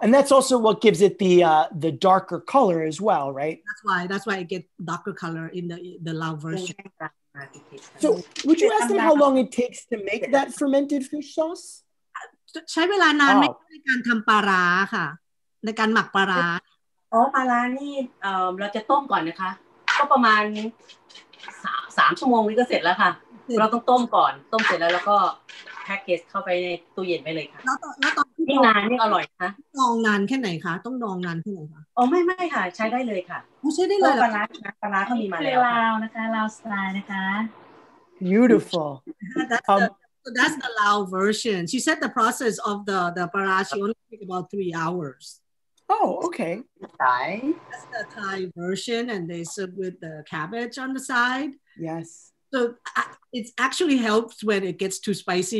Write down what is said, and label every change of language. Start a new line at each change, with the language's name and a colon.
English: And that's also what gives it the darker color as well, right? That's why it gets darker color in the Lao version. So would you ask them how long it takes to make that fermented fish sauce?
Thai: ใช้เวลานานไหมในการทำปลาร้าค่ะในการหมักปลาร้า อ๋อปลาร้านี่เราจะต้มก่อนนะคะก็ประมาณ3ชั่วโมงนี้ก็เสร็จแล้วค่ะเราต้องต้มก่อนต้มเสร็จแล้วแล้วก็แพ็กเกจเข้าไปในตู้เย็นไปเลยค่ะ แล้วตอนที่นานนี่อร่อยคะ ดองนานแค่ไหนคะต้องดองนานแค่ไหนคะ อ๋อไม่ค่ะใช้ได้เลยค่ะ ใช้ได้เลย ปลาร้าค่ะปลาร้าเขามีมาแล้ว ค่ะลาวนะคะลาวสไตล์นะคะ
English: beautiful So that's the Lao version. She said the process of the para, she only took about 3 hours. Oh, okay. Thai. That's the Thai version, and they serve with the cabbage on the side. Yes. So it actually helps when it gets too spicy.